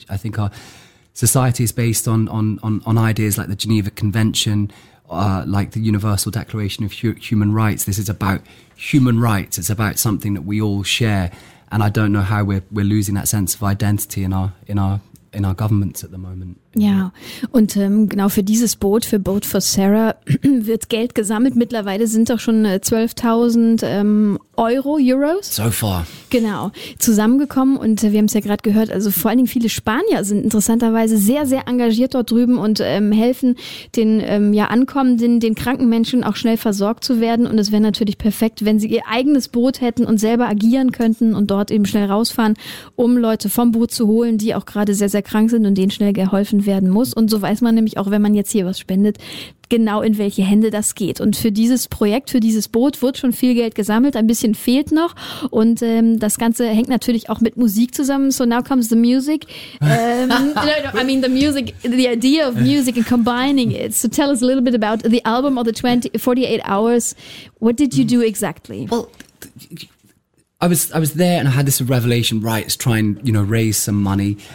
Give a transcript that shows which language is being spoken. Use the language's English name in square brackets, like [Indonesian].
[English] I think our society is based on ideas like the Geneva Convention, like the Universal Declaration of Human Rights. This is about human rights. It's about something that we all share. And I don't know how we're losing that sense of identity in our governments at the moment. [German] Ja, und genau für dieses Boot, für Boat for Sarah, wird Geld gesammelt. Mittlerweile sind doch schon 12.000 Euros. [English] So far. [German] Genau, zusammengekommen. Und wir haben es ja gerade gehört, also vor allen Dingen viele Spanier sind interessanterweise sehr, sehr engagiert dort drüben und helfen den Ankommenden, den kranken Menschen auch schnell versorgt zu werden. Und es wäre natürlich perfekt, wenn sie ihr eigenes Boot hätten und selber agieren könnten und dort eben schnell rausfahren, um Leute vom Boot zu holen, die auch gerade sehr, sehr krank sind und denen schnell geholfen werden muss. Und so weiß man nämlich auch, wenn man jetzt hier was spendet, genau in welche Hände das geht. Und für dieses Projekt, für dieses Boot wird schon viel Geld gesammelt. Ein bisschen fehlt noch. Und das Ganze hängt natürlich auch mit Musik zusammen. [English] So now comes the music. the music, the idea of music and combining it. So tell us a little bit about the album or the 48 hours. What did you do exactly? Well, I was there and I had this revelation, right, to try and, you know, raise some money.